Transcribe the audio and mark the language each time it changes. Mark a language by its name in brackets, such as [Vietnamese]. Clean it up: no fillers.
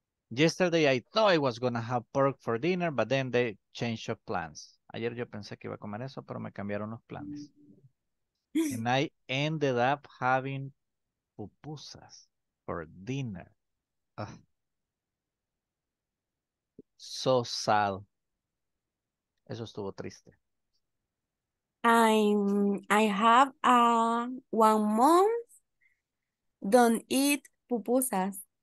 [English] Yesterday I thought I was gonna have pork for dinner, but then they changed their plans. [Spanish] Ayer yo pensé que iba a comer eso, pero me cambiaron los planes. [English] And I ended up having pupusas for dinner. Ugh. So sad. [Spanish] Eso estuvo triste. [English] I have a 1 month don't eat pupusas.